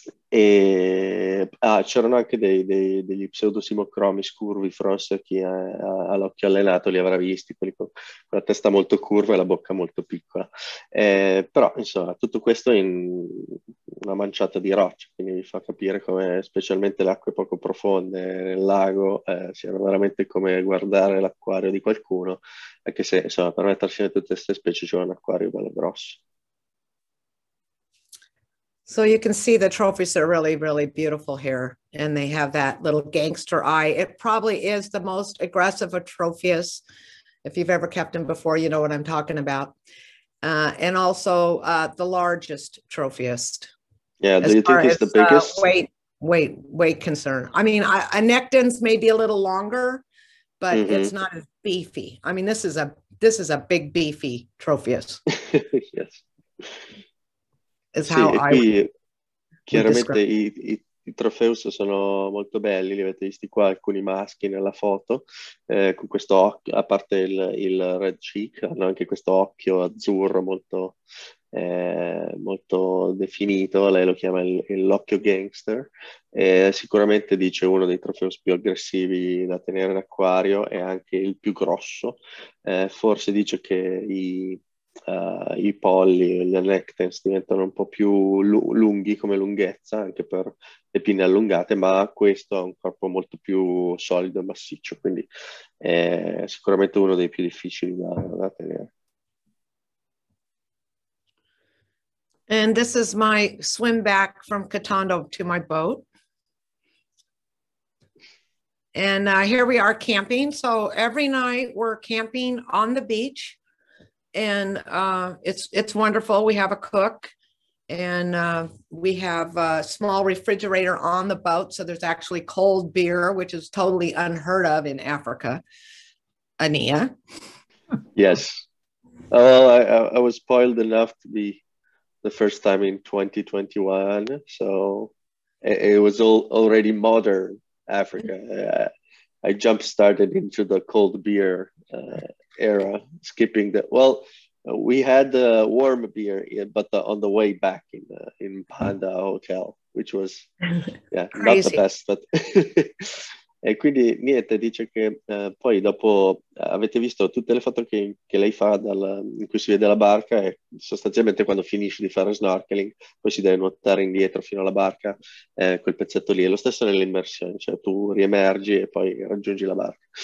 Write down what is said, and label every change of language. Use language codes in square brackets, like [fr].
[it] c'erano anche degli pseudosimocromi scurvi, forse chi ha l'occhio allenato li avrà visti, quelli con la testa molto curva e la bocca molto piccola, però insomma tutto questo in una manciata di rocce, quindi vi fa capire come specialmente le acque poco profonde nel lago siano veramente come guardare l'acquario di qualcuno, anche se insomma per mettersi in tutte queste specie c'è un acquario bello grosso. [en] So you can see the Trophius are really, really beautiful here. And they have that little gangster eye. It probably is the most aggressive of Trophius. If you've ever kept them before, you know what I'm talking about. And also the largest Trophius. Yeah, do you think it's the biggest? Weight concern. I mean, a Nectens may be a little longer, but it's not as beefy. I mean, this is a big beefy Trophius. Yes. Is how [it] sì, e qui chiaramente i Trofeus sono molto belli, li avete visti qua alcuni maschi nella foto, con questo occhio, a parte il red cheek, hanno anche questo occhio azzurro molto, molto definito, lei lo chiama l'occhio gangster, sicuramente dice uno dei Trofeus più aggressivi da tenere in acquario e anche il più grosso, forse dice che i polli, gli annectens diventano un po' più lunghi come lunghezza, anche per le pinne allungate, ma questo ha un corpo molto più solido e massiccio, quindi è sicuramente uno dei più difficili da tenere. [en] And this is my swim back from Katondo to my boat. And here we are camping. So every night we're camping on the beach. And it's wonderful. We have a cook and we have a small refrigerator on the boat. So there's actually cold beer, which is totally unheard of in Africa. Ania? Yes. Well, I was spoiled enough to be the first time in 2021. So it was already modern Africa. I jump started into the cold beer era, skipping the, well, we had the warm beer, but on the way back in Panda Hotel, which was, yeah, not the best, but. [it] E quindi niente, dice che poi dopo avete visto tutte le foto che lei fa in cui si vede la barca, e sostanzialmente quando finisce di fare snorkeling poi si deve nuotare indietro fino alla barca, quel pezzetto lì. È lo stesso nell'immersione, cioè tu riemergi e poi raggiungi la barca.